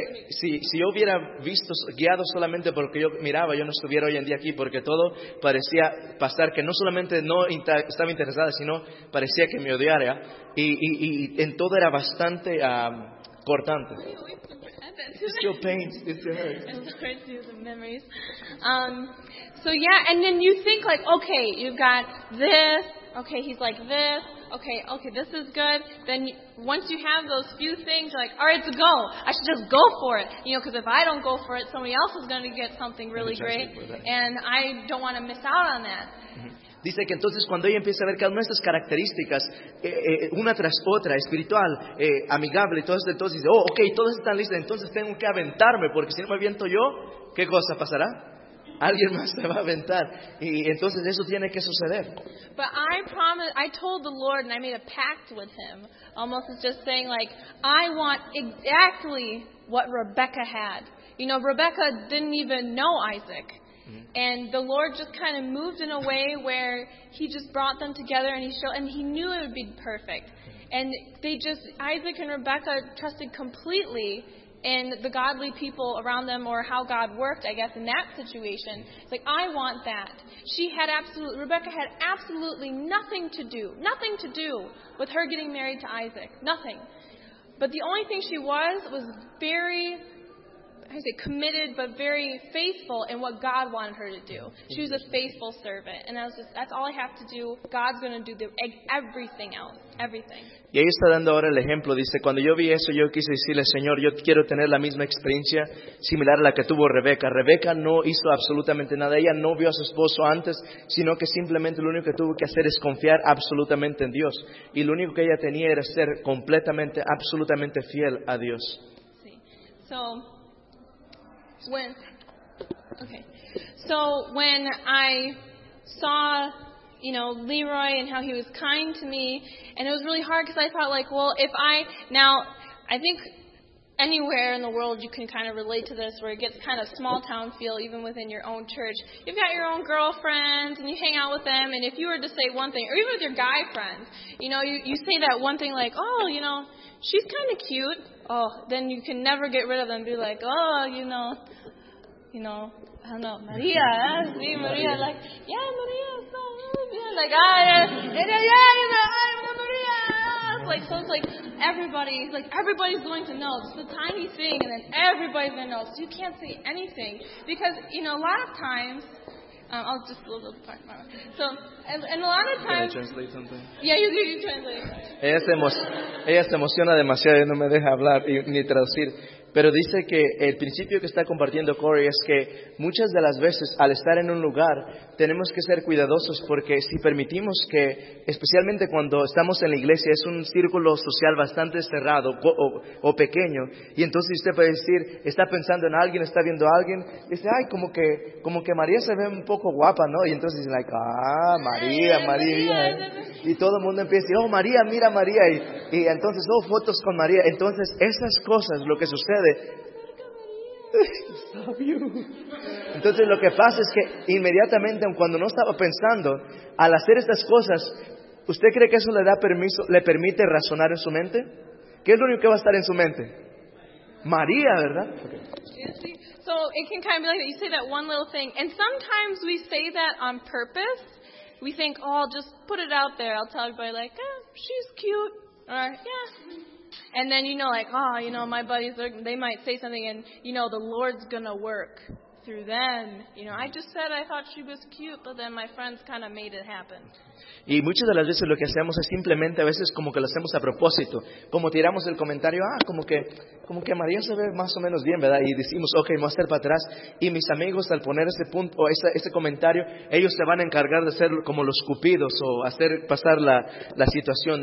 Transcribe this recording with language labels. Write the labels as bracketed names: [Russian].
[Spanish] Si yo hubiera visto, guiado solamente por lo que yo miraba, yo no estuviera hoy en día aquí, porque todo parecía pasar que no solamente no estaba interesada, sino parecía que me odiara, y en todo era bastante cortante. [English] It still pains. It hurts. It's crazy, the memories. And then you think, like, okay, you've got this. Okay, he's like this. Okay, this is good. Then once you have those few things, you're like, all right, it's a go. I should just go for it. You know, because if I don't go for it, somebody else is going to get something really great. And I don't want to miss out on that. [Spanish] Dice que entonces cuando ella empieza a ver cada una de estas características, una tras otra, espiritual, amigable, todo esto, entonces dice, ok, todas están listas, entonces tengo que aventarme, porque si no me aviento yo, ¿qué cosa pasará? Alguien más se va a aventar. Y entonces eso tiene que suceder. [English] But I promised, I told the Lord and I made a pact with him. Almost as just saying like, I want exactly what Rebecca had. You know, Rebecca didn't even know Isaac. And the Lord just kind of moved in a way where he just brought them together and he showed, and he knew it would be perfect. And they just, Isaac and Rebecca trusted completely in the godly people around them or how God worked, I guess, in that situation. It's like, I want that. Rebecca had absolutely nothing to do with her getting married to Isaac. Nothing. But the only thing she was very, I say committed, but very faithful in what God wanted her to do. She was a faithful servant. And that's all I have to do. God's going to do everything else. Everything. [Spanish] Y ahí está dando ahora el ejemplo. Dice, cuando yo vi eso, yo quise decirle, Señor, yo quiero tener la misma experiencia similar a la que tuvo Rebeca. Rebeca no hizo absolutamente nada. Ella no vio a su esposo antes, sino que simplemente lo único que tuvo que hacer es confiar absolutamente en Dios. Y lo único que ella tenía era ser completamente, absolutamente fiel a Dios. Sí. [English] So, when, okay, so when I saw, you know, Leroy and how he was kind to me, and it was really hard because I thought like, well, I think anywhere in the world you can kind of relate to this, where it gets kind of small town feel, even within your own church. You've got your own girlfriends and you hang out with them, and if you were to say one thing, or even with your guy friends, you know, you say that one thing like, oh, you know, she's kind of cute. Oh, then you can never get rid of them. Be like, oh, you know, I don't know, Maria, see, sí, Maria, like, yeah, Maria, so, yeah, like, ah, yeah, you know, I'm Maria. Like, so it's like, everybody's going to know. It's just a tiny thing, and then everybody's going to know. So you can't say anything. Because, you know, a lot of times, I'll just a little part. So, and a lot of times. Can I translate something? Yeah, you translate. [Spanish] Ella se emociona demasiado y no me deja hablar ni traducir. Pero dice que el principio que está compartiendo Corey es que muchas de las veces al estar en un lugar tenemos que ser cuidadosos, porque si permitimos que, especialmente cuando estamos en la iglesia, es un círculo social bastante cerrado o pequeño, y entonces usted puede decir, está pensando en alguien, está viendo a alguien, dice, ay, como que María se ve un poco guapa, ¿no? Y entonces dice, like, ah, María, María, y todo el mundo empieza a decir, oh, María, mira María, y entonces, oh, fotos con María. Entonces esas cosas, lo que sucede, entonces lo que pasa es que inmediatamente, cuando no estaba pensando, al hacer estas cosas, ¿usted cree que eso le da permiso, le permite razonar en su mente? ¿Qué es lo único que va a estar en su mente? María, ¿verdad? [English] Okay. So it can kind of be like that. You say that one little thing, and sometimes we say that on purpose. We think, oh, I'll just put it out there. I'll tell everybody like, she's cute, or yeah. And then, you know, like, oh, you know, my buddies, they might say something, and, you know, the Lord's going to work through them. You know, I just said I thought she was cute, but then my friends kind of made it happen. [Spanish] Y muchas de las veces lo que hacemos es simplemente, a veces como que lo hacemos a propósito. Como tiramos el comentario, como que María se ve más o menos bien, ¿verdad? Y decimos, ok, voy a hacer para atrás. Y mis amigos, al poner ese punto o ese comentario, ellos se van a encargar de ser como los cupidos o hacer pasar la situación.